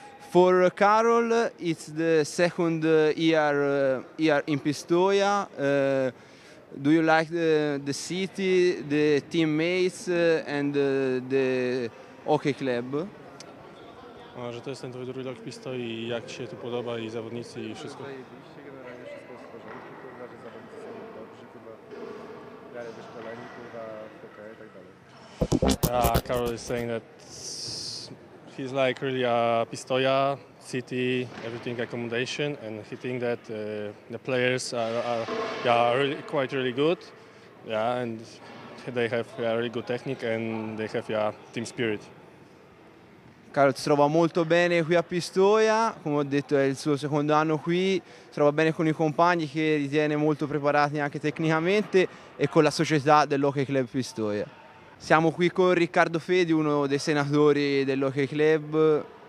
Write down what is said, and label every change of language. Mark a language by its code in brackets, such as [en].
[en] For Karol, it's the second year in Pistoia. Do you like the city, the teammates, and the hockey club? [pl] Że to jest ten twój drugi rok w Pistoi, i jak ci się tu podoba, i zawodnicy, i wszystko? Tutaj oczywiście generalnie wszystko jest w porządku, kurwa, że zawodnicy są dobrzy, kurwa, dalej wyszkoleni, kurwa, hokej i tak dalej. [en] Karol is saying that he's like really a Pistoia city, everything accommodation, and he think that the players are really, quite really good, yeah, and they have a really good technique, and they have a team spirit. [it] Karol si trova molto bene qui a Pistoia, come ho detto è il suo secondo anno qui, si trova bene con i compagni, che ritiene molto preparati anche tecnicamente, e con la società dell'Hockey Club Pistoia. Siamo qui con Riccardo Fedi, uno dei senatori dell'Hockey Club.